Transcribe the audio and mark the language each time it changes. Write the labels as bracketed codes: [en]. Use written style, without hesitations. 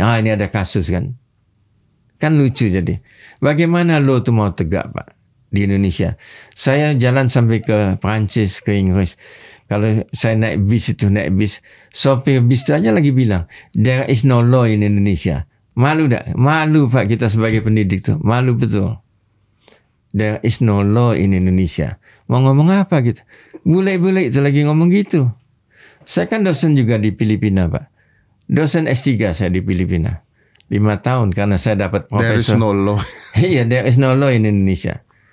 [id] Ah ini ada kasus kan. Kan lucu jadi. Bagaimana lo tuh mau tegak Pak di Indonesia? Saya jalan sampai ke Prancis, ke Inggris. Kalau saya naik bis itu, naik bis. Sopir bis itu aja lagi bilang, [en] there is no law in Indonesia. [id] Malu tak? Malu Pak kita sebagai pendidik tuh. Malu betul. [en] There is no law in Indonesia. [id] Mau ngomong apa gitu? Bule-bule itu lagi ngomong gitu. Saya kan dosen juga di Filipina Pak. Dosen S3 saya di Filipina. 5 tahun karena saya dapat profesor. [en] There is no law. Iya, there is no law in Indonesia.